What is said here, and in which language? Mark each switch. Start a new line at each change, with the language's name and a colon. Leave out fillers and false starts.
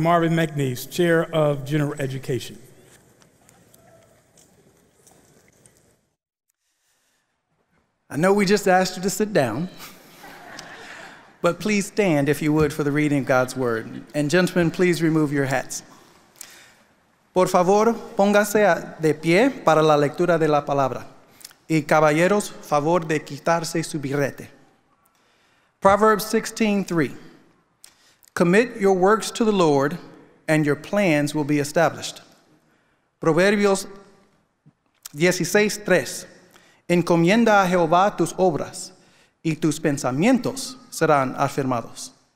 English: Marvin McNeese, Chair of General Education. A I know we just asked you to sit down, but please stand, if you would, for the reading of God's word. And gentlemen, please remove your hats.
Spanish: Por favor, póngase de pie para la lectura de la palabra. Y caballeros, favor de quitarse su birrete.
English: Proverbs 16:3. Commit your works to the Lord, and your plans will be established.
Spanish: Proverbios 16:3. Encomienda a Jehová tus obras, y tus pensamientos serán afirmados.